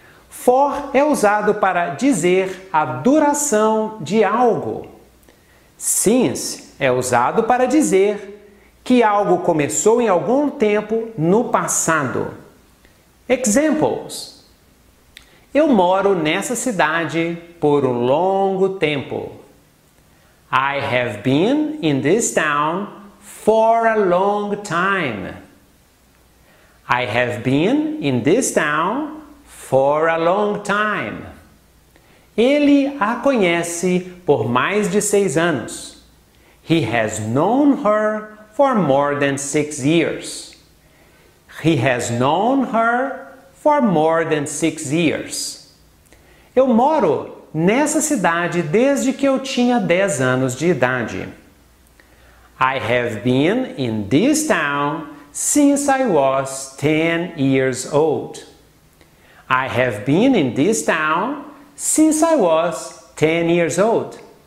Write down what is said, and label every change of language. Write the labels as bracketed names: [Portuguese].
[Portuguese] For é usado para dizer a duração de algo. Since é usado para dizer que algo começou em algum tempo no passado. [English] Examples: [Portuguese] eu moro nessa cidade por um longo tempo. [English] I have been in this town for a long time. I have been in this town for a long time. [Portuguese] Ele a conhece por mais de 6 anos. [English] He has known her for more than 6 years. He has known her for more than 6 years. [Portuguese] Eu moro nessa cidade desde que eu tinha 10 anos de idade. [English] I have been in this town since I was 10 years old. I have been in this town since I was 10 years old.